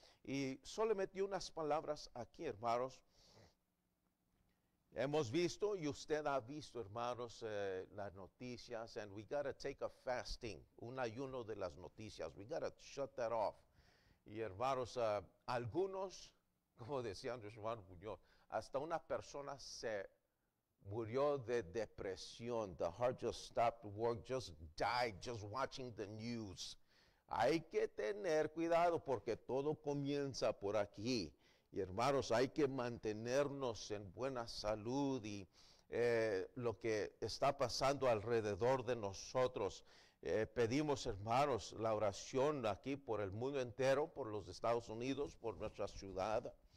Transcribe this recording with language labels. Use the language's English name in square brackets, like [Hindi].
[Spanish] Y solo metí unas palabras aquí, hermanos. Hemos visto y usted ha visto, hermanos, las noticias. [English] And we got to take a fasting, [Spanish] un ayuno de las noticias. [English] We got to shut that off. [Spanish] Y hermanos, algunos, como decía Andrés Juan Muñoz, hasta una persona se murió de depresión. [English] The heart just stopped work, just died, just watching the news. [Spanish] Hay que tener cuidado porque todo comienza por aquí. Y hermanos, hay que mantenernos en buena salud y lo que está pasando alrededor de nosotros. Pedimos, hermanos, la oración aquí por el mundo entero, por los Estados Unidos, por nuestra ciudad.